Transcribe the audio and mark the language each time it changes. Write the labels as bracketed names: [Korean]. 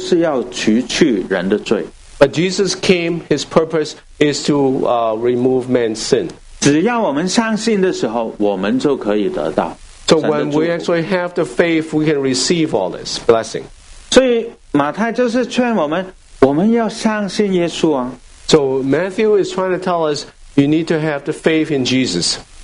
[Chinese] 但是耶稣来，他的目的就是要除去人的罪。 [English] But Jesus came, his purpose is to remove man's sin. [Chinese] 只要我们相信的时候，我们就可以得到。 [English] So when we actually have the faith, we can receive all this blessing. [Chinese] 所以马太就是劝我们，我们要相信耶稣啊。 [English] So Matthew is trying to tell us you need to have the faith in Jesus.